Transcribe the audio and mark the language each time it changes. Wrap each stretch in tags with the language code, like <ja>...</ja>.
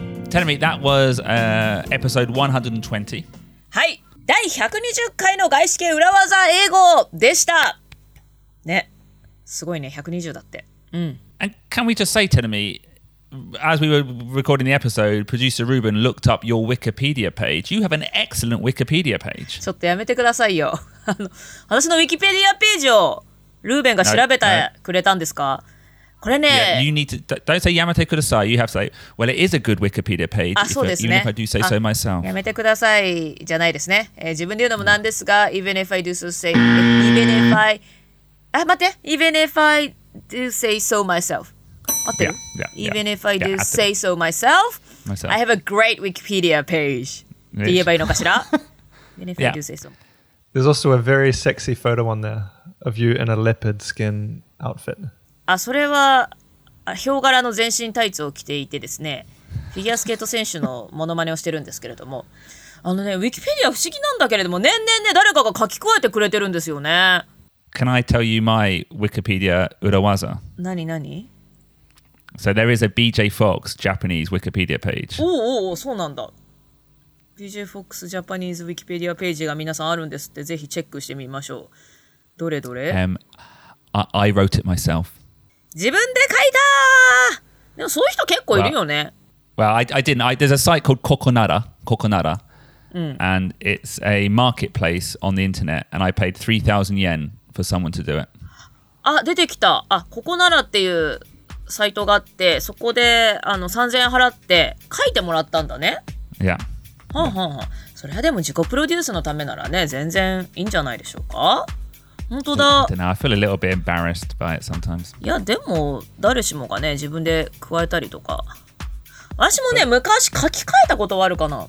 <en>Tell me, that was episode 120.</en> <ja>はい、第120回の外資系裏技英語でした。ね、すごいね、120だって。</ja> <en>And can we just say, Tenemi, as we were recording the episode, producer Ruben looked up your Wikipedia page. You have an excellent Wikipedia page.</en> <ja>ちょっとやめてくださいよ。私の Wikipedia ページをルーベンが調べてくれたんですか？これね、</ja> <en>yeah, you need to, don't say</en> <ja>やめてください。</ja> <en>You have to say, well, it is a good Wikipedia page.</en> <ja>あ、そうですね。</ja> <en>Even if I do say so myself.</en> <ja>やめてくださいじゃないですね。自分で言うのもなんですが、</ja> <en>even if I do so say, even if I,</en> <ja>あ、待って、</ja> <en>even if I do say so myself.</en> <ja>待ってる。</ja> <en>Even if I do say so myself, I have a great Wikipedia page.</en> <ja>って言えばいいのかしら</ja> <en>Even if I do say so. There's also a very sexy photo on there of you in a leopard skin outfit.</en> <ja>あ、それはヒョウ柄の全身タイツを着ていてですね、フィギュアスケート選手のモノマネをしてるんですけれども、あのね、ウィキペディア不思議なんだけれども、年々ね、誰かが書き加えてくれてるんですよね。</ja> <en>Can I tell you my Wikipedia 裏技？</en> <ja>何何？</ja> <en>So there is a BJ Fox Japanese Wikipedia page.</en> <ja>おーおー、そうなんだ。BJ Fox Japanese Wikipedia ページが皆さんあるんですって、ぜひチェックしてみましょう。どれどれ、</ja> <en>I wrote it myself.</en> <ja>自分で書いた。でもそういう人結構いるよね。</ja> <en>Well, I didn't. There's a site called Kokonara. Kokonara. And it's a marketplace on the internet. And I paid 3,000 yen for someone to do it.</en> <ja>あ、出てきた。あ、Kokonara っていうサイトがあって、そこで3,000円払って書いてもらったんだね。</ja> <en>Yeah.</en> <ja>はんはんはん。それはでも自己プロデュースのためならね、全然いいんじゃないでしょうか。本当だ。</ja> <en>I don't know. I feel a little bit embarrassed by it sometimes.</en> <ja>いや、でも誰しもがね、自分で加えたりとか。私もね、昔書き換えたことはあるかな。</ja>